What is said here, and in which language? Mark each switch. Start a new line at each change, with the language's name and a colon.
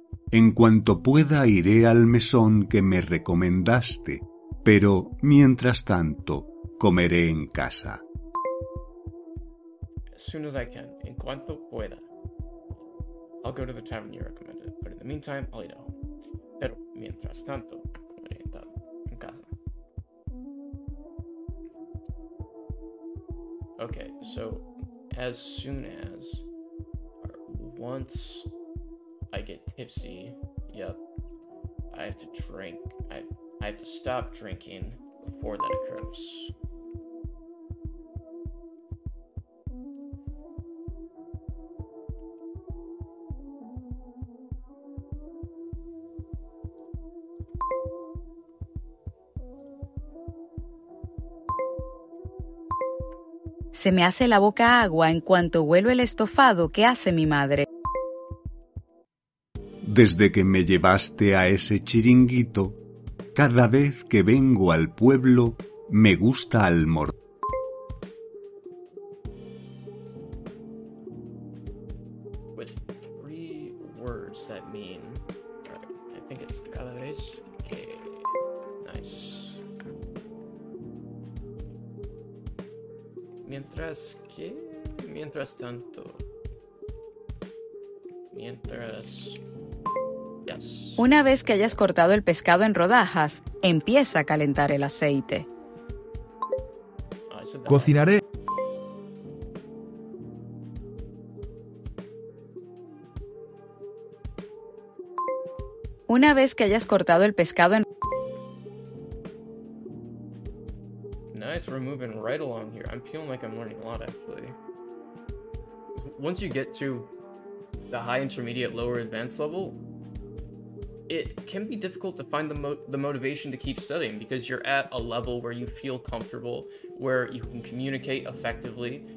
Spanish: En cuanto pueda, iré al mesón que me recomendaste, pero mientras tanto, comeré en casa.
English: As soon as I can.
Spanish: En cuanto pueda.
English: I'll go to the tavern you recommended, but in the meantime, I'll eat at home.
Spanish: Pero mientras tanto, comeré en casa.
English: Okay, so as soon as, or once I get tipsy, yep, I have to drink, I have to stop drinking before that occurs.
Spanish: Se me hace la boca agua en cuanto huelo el estofado que hace mi madre. Desde que me llevaste a ese chiringuito, cada vez que vengo al pueblo, me gusta almorzar.
English: With three words that mean, I think it's
Spanish: cada vez que,
English: nice.
Spanish: Mientras que, mientras tanto, mientras, yes. Una vez que hayas cortado el pescado en rodajas, empieza a calentar el aceite. Cocinaré. Una vez que hayas cortado el pescado en
English: Nice, we're moving right along here. I'm feeling like I'm learning a lot, actually. Once you get to the high, intermediate, lower, advanced level, it can be difficult to find the motivation to keep studying because you're at a level where you feel comfortable, where you can communicate effectively.